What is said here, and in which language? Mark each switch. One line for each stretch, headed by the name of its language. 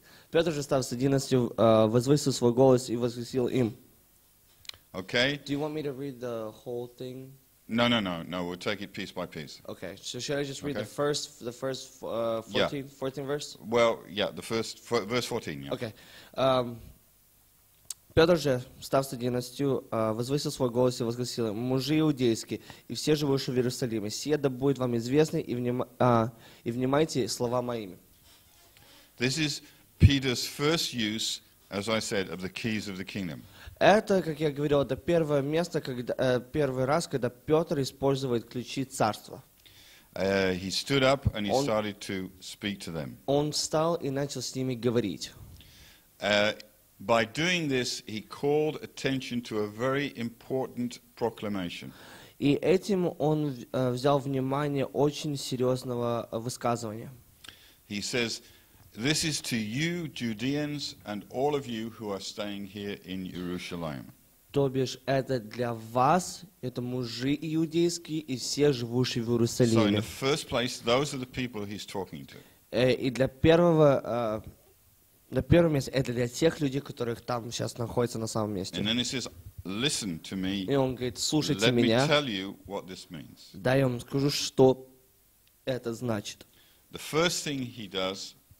Russian: Петр же став с одиннадцатью, возвысил свой голос и возвысил им.
English: Okay. Do you want me to read the whole thing? No. We'll take it piece by piece. Okay. So shall I just read the first 14 verse? Well, yeah, the first verse 14. Yeah. Okay.
Russian: Петр же, став с одиннадцатью, возвысил свой голос и возгласил им, «Мужи иудейские и все живущие в Иерусалиме, сие да будет вам известно, и внимайте слова моими».
English: This is Peter's first use, as I said, of the keys of the kingdom.
Russian: Это, как я говорил, это первое место, первый раз, когда Петр использует ключи царства.
English: He stood up and he started to speak to them.
Russian: Он встал и начал с ними говорить.
English: By doing this, he called attention to a very important proclamation.
Russian: И этим он взял внимание очень серьезного высказывания.
English: He says, "This is to you, Judeans, and all of you who are staying here in Jerusalem."
Russian: То бишь, это для вас, это мужи иудейские и все живущие в Иерусалиме.
English: So, in the first place, those are the people he's talking to.
Russian: И для первого на первом месте это для тех людей, которых там сейчас находится на самом месте.
English: And then he says, "Listen to me."
Russian: И он говорит, слушайте
English: Let
Russian: меня.
English: Let me tell you what this means.
Russian: Дай я вам скажу, что это значит.
English: The first thing he does.